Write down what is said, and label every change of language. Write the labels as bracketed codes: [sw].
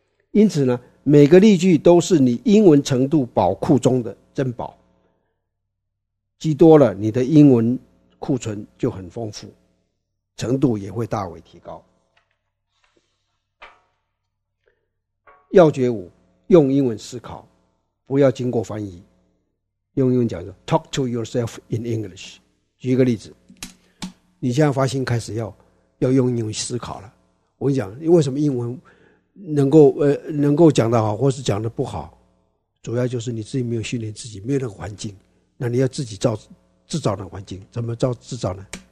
[zh] 因此呢，每个例句都是你英文程度宝库中的珍宝，积多了，你的英文库存就很丰富，程度也会大为提高。要诀五，用英文思考，不要经过翻译。用英文讲说 [en] talk to yourself in English。 [zh] 举一个例子，你现在发现开始要用英文思考了。我跟你讲，为什么英文能够讲得好或是讲得不好，主要就是你自己没有训练自己，没有那个环境，那你要自己制造那个环境。怎么制造呢？